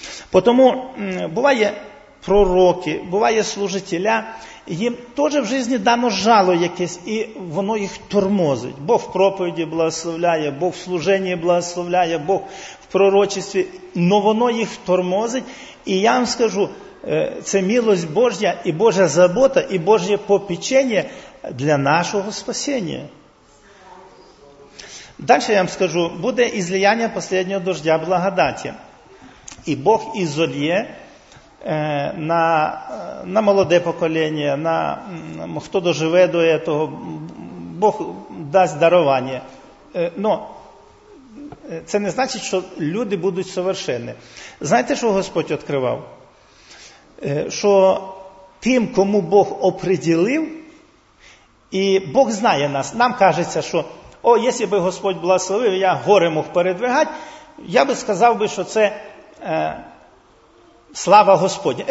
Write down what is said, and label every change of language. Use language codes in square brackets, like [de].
[uk] Тому буває пророки, буває служителя, їм теж в житті дано жало якесь, і воно їх тормозить. Бог в проповіді благословляє, Бог в служенні благословляє, Бог в пророчестві, но воно їх тормозить. І я вам скажу, це [ru] милость Божья и Божья забота и Божье попечение для нашего спасения. Дальше я вам скажу, будет излияние последнего дождя благодати. И Бог изолье на молоде поколение, на кто доживе до этого, Бог даст дарование. [uk] Но це не значить, що люди будуть совершенні. Знаєте, що Господь відкривав? Що тим, кому Бог оприділив, і Бог знає нас, нам кажеться, що о, якщо би Господь благословив, я гори мог передвигати, я би сказав, що це слава Господня.